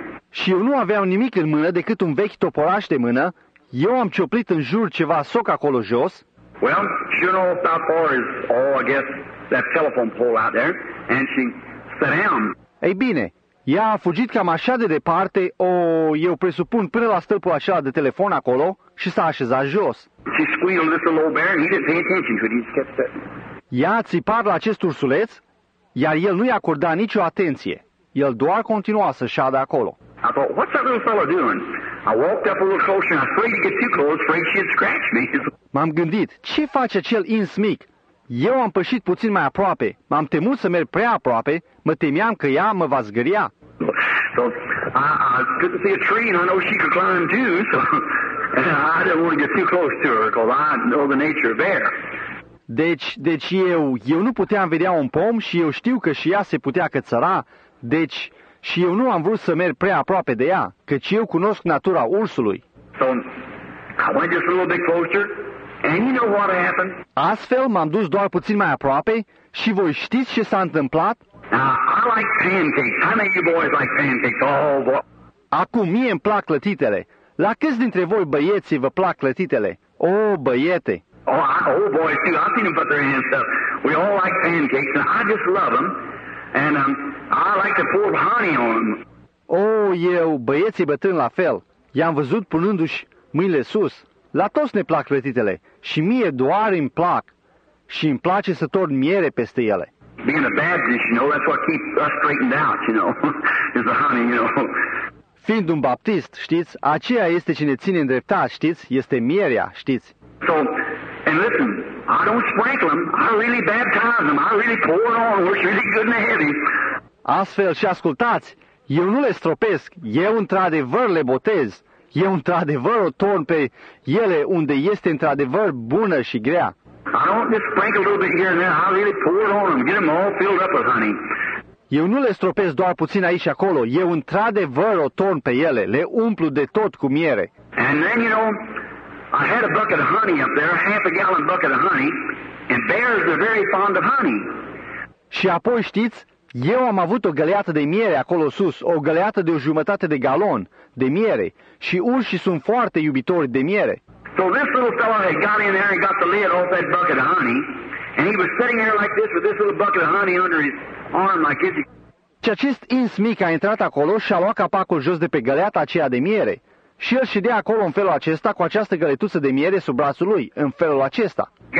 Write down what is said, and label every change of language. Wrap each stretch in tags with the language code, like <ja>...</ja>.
<ro>Și eu nu aveam nimic în mână decât un vechi toporaș de mână. Eu am cioplit în jur ceva soc acolo jos.</ro> <en>Well, she don't know if that far is all, I guess, that telephone pole out there, and she sat down.</en> <ro>Ei bine, ea a fugit cam așa de departe, o, eu presupun, până la stâlpul acela de telefon acolo, și s-a așezat jos.</ro> <en>She squealed this little old bear, and he didn't pay attention to it, he just kept sitting.</en> <ro>Ea a țipat la acest ursuleț, iar el nu i-a acordat nicio atenție. El doar continua să șadă acolo.</ro> <en>I thought, what's that little fellow doing? I walked up a little closer and I afraid to get too close, afraid she'd scratch me.</en> <ro>M-am gândit, ce face acel ins mic? Eu am pășit puțin mai aproape. M-am temut să merg prea aproape. Mă temeam că ea mă va zgâria.</ro> <en>So, I couldn't see a tree and I know she could climb too, so I didn't want to get too close to her because I know the nature of bear.</en> <ro>Deci eu nu puteam vedea un pom și eu știu că și ea se putea cățăra, deci... Și eu nu am vrut să merg prea aproape de ea, căci eu cunosc natura ursului.</ro> <en>So, I went just a little bit closer, and you know what happened?</en> <ro>Astfel, m-am dus doar puțin mai aproape și voi știți ce s-a întâmplat?</ro> <en>Now, I like pancakes. How many of you boys like pancakes? Oh, boy.</en> <ro>Acum, mie îmi plac clătitele. La câți dintre voi băieții vă plac clătitele? Oh, băiete!</ro> <en>Oh, boys, too. I've seen them put their hands up. We all like pancakes, and I just love them. And I like to pour honey on.</en> <ro>Oh, eu, băieții bătrâni la fel. I-am văzut punându-și mâinile sus. La toți ne plac clătitele și mie doar îmi plac și îmi place să torn miere peste ele.</ro> <en>Being a Baptist, you know, that's what keeps us straightened out, you know. Is the honey, you know.</en> <ro>Fiind un baptist, știți, aceea este ce ne ține îndreptat, știți, este mierea, știți.</ro> <en>So, and listen, I don't sprinkle them. I really baptize them. I really pour it on. Works really good and heavy.</en> <ro>Astfel și ascultați, eu nu le stropesc. Eu într-adevăr le botez. Eu într-adevăr o torn pe ele unde este într-adevăr bună și grea.</ro> <en>I don't just sprinkle a little bit here and there. I really pour it on them. Get them all filled up with honey.</en> <ro>Eu nu le stropesc doar puțin aici acolo. Eu într-adevăr o torn pe ele. Le umplu de tot cu miere.</ro> <en>And then, you know, I had a bucket of honey up there, a half a gallon bucket of honey, and bears are very fond of honey.</en> <ro>Și apoi știți, eu am avut o găleată de miere acolo sus, o găleată de o jumătate de galon de miere, și urșii sunt foarte iubitori de miere.</ro> <en>So this little fellow had got in there and got the lid off that bucket of honey, and he was sitting there like this with this little bucket of honey under his arm like this.</en> <ro>Și acest ins mic a intrat acolo și a luat capacul jos de pe găleata aceea de miere. Și el ședea acolo în felul acesta, cu această găletuță de miere sub brațul lui, în felul acesta.</ro>